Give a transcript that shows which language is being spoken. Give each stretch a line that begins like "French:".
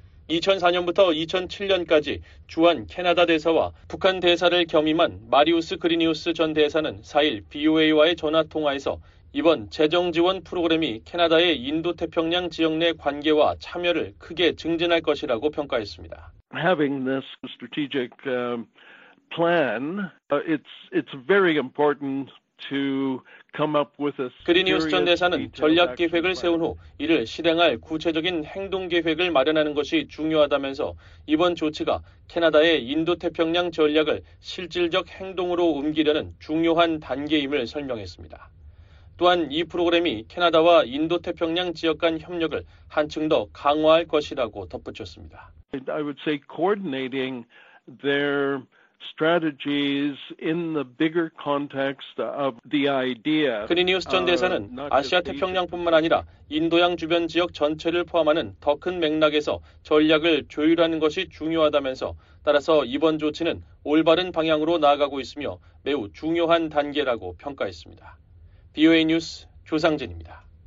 Korean: 2004년부터 2007년까지 주한 캐나다 대사와 북한 대사를 겸임한 마리우스 그리니우스 전 대사는 4일 BOA와의 전화통화에서 이번 재정지원 프로그램이 캐나다의 인도태평양 지역 내 관계와 참여를 크게 증진할 것이라고 평가했습니다.
English: Having this strategic plan, it's very important to come up with a.
Korean: 그리니우스 전 대사는 전략 계획을 세운 후 이를 실행할 구체적인 행동 계획을 마련하는 것이 중요하다면서 이번 조치가 캐나다의 인도태평양 전략을 실질적 행동으로 옮기려는 중요한 단계임을 설명했습니다. 또한 이 프로그램이 캐나다와 인도태평양 지역 간 협력을 한층 더 강화할 것이라고 덧붙였습니다.
English: I would say coordinating their strategies in the bigger context of the idea.
Korean: 그리니우스 전 대사는 아시아 태평양뿐만 아니라 인도양 주변 지역 전체를 포함하는 더 큰 맥락에서 전략을 조율하는 것이 중요하다면서 따라서 이번 조치는 올바른 방향으로 나아가고 있으며 매우 중요한 단계라고 평가했습니다. BOA 뉴스 조상진입니다.